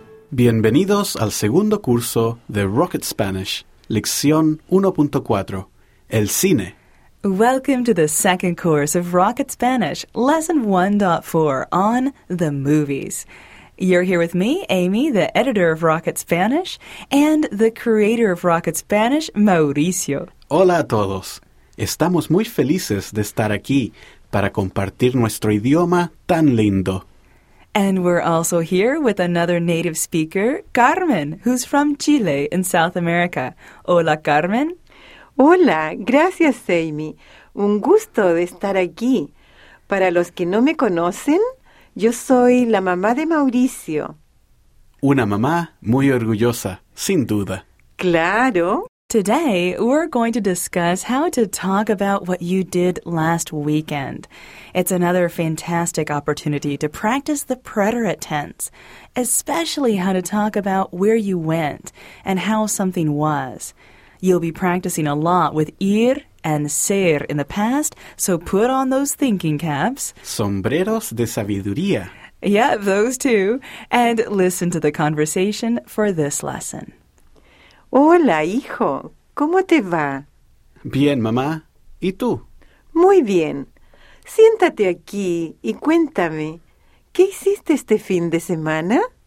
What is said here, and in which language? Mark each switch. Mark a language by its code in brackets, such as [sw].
[es] Bienvenidos al segundo curso de Rocket Spanish, lección 1.4, el cine. [en] Welcome to the second course of Rocket Spanish, lesson 1.4, on the movies. You're here with me, Amy, the editor of Rocket Spanish, and the creator of Rocket Spanish, Mauricio. [es] Hola a todos. Estamos muy felices de estar aquí para compartir nuestro idioma tan lindo. [en] And we're also here with another native speaker, Carmen, who's from Chile in South America. [es] Hola, Carmen. Hola, gracias, Amy. Un gusto de estar aquí. Para los que no me conocen, yo soy la mamá de Mauricio. Una mamá muy orgullosa, sin duda. Claro. [en] Today, we're going to discuss how to talk about what you did last weekend. It's another fantastic opportunity to practice the preterite tense, especially how to talk about where you went and how something was. You'll be practicing a lot with ir and ser in the past, so put on those thinking caps. [es] Sombreros de sabiduría. [en] Yeah, those too. And listen to the conversation for this lesson. [es] Hola, hijo. ¿Cómo te va? Bien, mamá. ¿Y tú? Muy bien. Siéntate aquí y cuéntame, ¿qué hiciste este fin de semana?